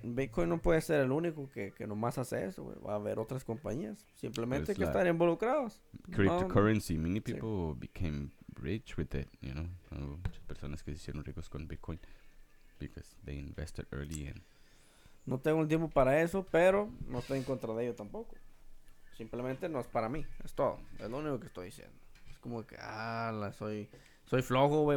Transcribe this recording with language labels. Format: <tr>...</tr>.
<es>Bitcoin no puede ser el único que nomás hace eso, güey. Va a haber otras compañías. Simplemente hay que estar involucrados.</es> <en>Cryptocurrency. No, many people became rich with it, you know.</en> <es>Muchas personas que se hicieron ricos con Bitcoin.</es> <en>Because they invested early in.</en> <es>No tengo el tiempo para eso, pero no estoy en contra de ello tampoco. Simplemente no es para mí, es todo. Es lo único que estoy diciendo. Es como que, soy flojo, güey.</es>